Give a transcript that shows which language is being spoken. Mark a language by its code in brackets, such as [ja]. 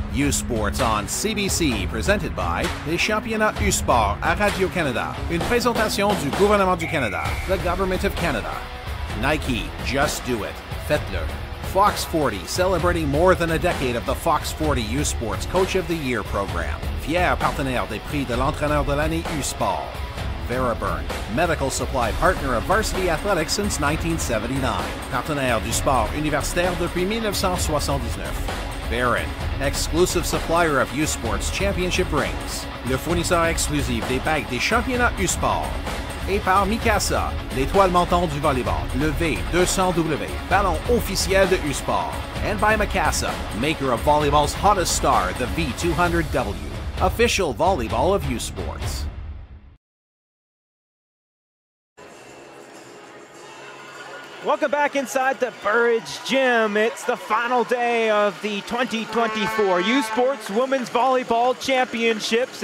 [en] Sports on CBC, presented by Les Championnats U Sport à Radio-Canada. [fr] Une présentation du gouvernement du Canada, the Government of Canada. [en] Nike, just do it. [fr] Faites-le. [en] Fox 40, celebrating more than a decade of the Fox 40 U Sports Coach of the Year program. [fr] Fier partenaire des prix de l'entraîneur de l'année U Sport. [en] Veriburn, medical supply partner of varsity athletics since 1979. [fr] Partenaire du sport universitaire depuis 1979. [en] Baron, exclusive supplier of U-Sports Championship Rings. [fr] Le fournisseur exclusif des bagues des championnats U-Sport. Et par Mikasa, l'étoile montante du volleyball. Le V200W, ballon officiel de U-Sport. [en] And by Mikasa, maker of volleyball's hottest star, the V200W. Official volleyball of U-Sports. Welcome back inside the Burridge Gym. It's the final day of the 2024 U Sports Women's Volleyball Championships.